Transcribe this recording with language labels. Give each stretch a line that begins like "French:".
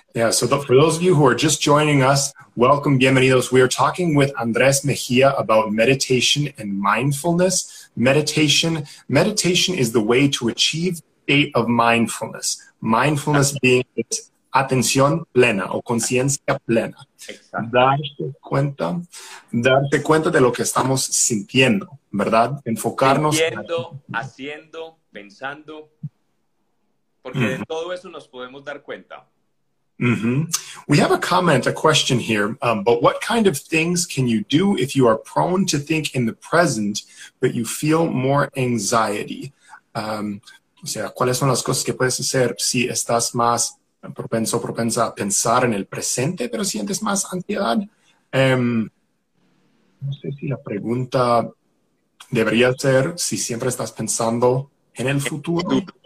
English: So for those of you who are just joining us, welcome,
Spanish: bienvenidos.
English: We are talking with Andrés Mejía about meditation and mindfulness. Meditation is the way to achieve state of mindfulness. Mindfulness being
Spanish: atención plena o conciencia plena. Darte cuenta de lo que estamos sintiendo, ¿verdad? Enfocarnos. Sintiendo, haciendo, pensando. Porque de todo eso nos podemos dar cuenta.
English: We have a comment, a question here, but what kind of things can you do if you are prone to think in the present, but you feel more anxiety?
Spanish: ¿Cuáles son las cosas que puedes hacer si estás más propenso, propensa a pensar en el presente, pero sientes más ansiedad? No sé si la pregunta debería ser si siempre estás pensando en el futuro.